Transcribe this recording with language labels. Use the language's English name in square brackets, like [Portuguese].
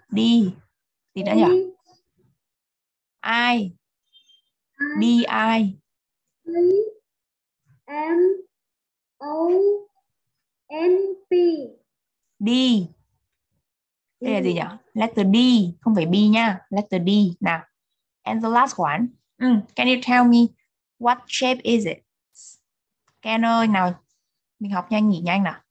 [Vietnamese] D. D. D đã nhỉ? I. D. I. I. M. O. N P D. Đây là gì nhỉ? [English] Letter D, [Vietnamese] không phải B nha. [English] Letter D. Now, and the last one. Mm. Can you tell me what shape is it? [Vietnamese] Can ơi, nào, mình học nhanh nghỉ nhanh nào.